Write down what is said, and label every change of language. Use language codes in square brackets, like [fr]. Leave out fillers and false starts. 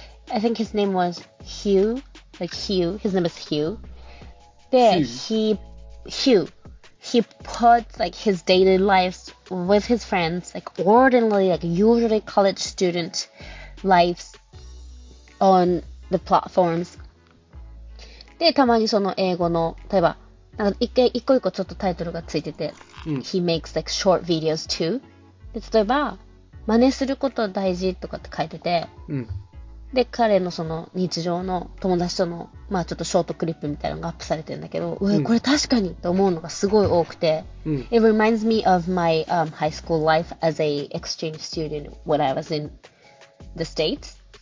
[en] I think his name was Hugh. Like Hugh, his name is Hugh. Then he puts like his daily lives with his friends, like ordinarily, like usually college student lives on the platforms. [ja] Then, たまにその英語の例えばなんか一個一個ちょっとタイトルがついてて、うん、 [en] he makes like short videos too. [ja] で例えば真似すること大事とかって書いてて。うんで彼のその日常の友達とのまあちょっとショートクリップみたいなのがアップされてるんだけど、うん、これ確かにと思うのがすごい多くて、うん、 [en] It reminds me of my、high school life as a exchange student when I was in the States、